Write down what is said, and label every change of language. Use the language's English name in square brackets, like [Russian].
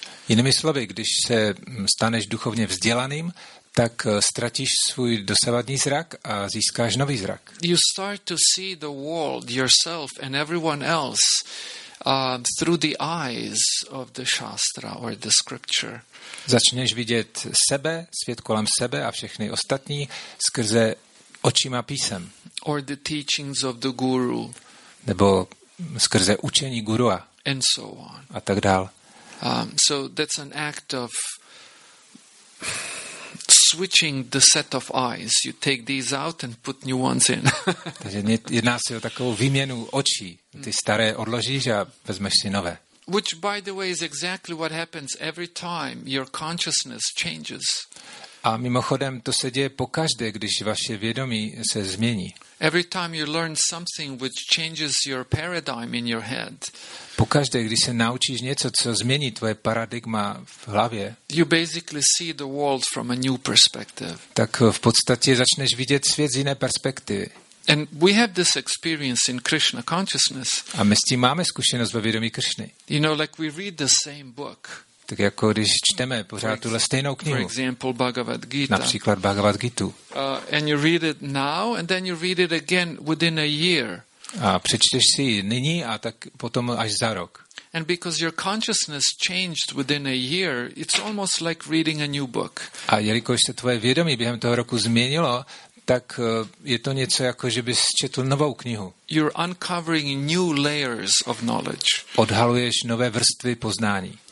[Czech] Jinými slovy, když se staneš duchovně vzdělaným, tak ztratíš svůj dosavadní zrak a získáš nový zrak. [English] You start to see the world, yourself and everyone else through the eyes of the shastra or the scripture. [Czech] Začneš vidět sebe, svět kolem sebe a všechny ostatní skrze očima písem. [English] Or the teachings of the guru. [Czech] Nebo skrze učení gurua [English] and so on. [Czech] A tak dál. [English] So that's an act of switching the set of eyes. You take these out and put new ones in. [Czech] Takže jedná se o takovou výměnu očí. Ty staré odložíš a vezmeš si nové. [English] Which, by the way, is exactly what happens every time your consciousness changes. [Czech] A mimochodem, to se děje pokaždé, když vaše vědomí se změní. [English] Every time you learn something which changes your paradigm in your head. [Czech] Pokaždé, když se naučíš něco, co změní tvoje paradigma v hlavě. [English] You basically see the world from a new perspective. [Czech] Tak v podstatě začneš vidět svět z jiné perspektivy. [English] And we have this experience in Krishna consciousness. [Czech] A my s tím máme zkušenost ve vědomí Krishny. [English] You know, like we read the same book. [Czech] Tak jako když čteme pořád tuhle stejnou knihu. [English] For example, Bhagavad Gita. [Czech] Například Bhagavad Gitu. [English] And you read it now and then you read it again within a year. [Czech] A přečteš si ji nyní a tak potom až za rok. [English] And because your consciousness changed within a year, it's almost like reading a new book. [Czech] A jelikož se tvoje vědomí během toho roku změnilo, tak je to něco jako, že bys četl novou knihu. [English] You're uncovering new layers of knowledge. [Czech] Odhaluješ nové vrstvy poznání.